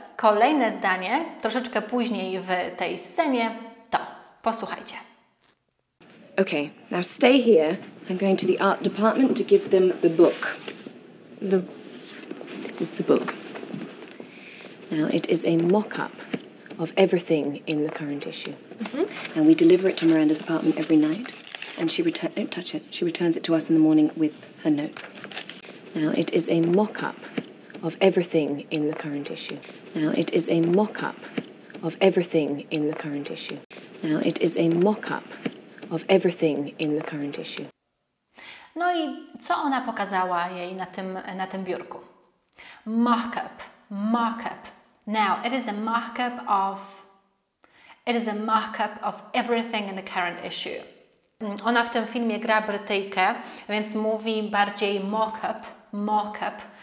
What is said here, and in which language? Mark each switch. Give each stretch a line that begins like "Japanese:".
Polish: Kolejne zdanie, troszeczkę później w tej scenie, to posłuchajcie.
English: Okay, now stay here. I'm going to the art department to give them the book. This is the book. Now, it is a mock-up of everything in the current issue. Mm-hmm. And we deliver it to Miranda's apartment every night. And she returns, don't touch it, she returns it to us in the morning with her notes. Now, it is a mock-up of everything in the current issue. Now, it is a mock-up of everything in the current issue. Now, it is a mock-up of everything in the current issue.
Polish: No i co ona pokazała jej na tym biurku?
English: Mock-up, mock-up. Now, it is a mock-up of... It is a mock-up of everything in the current issue.
Polish: Ona w tym filmie gra Brytyjkę, więc mówi bardziej mock-up, mock-up.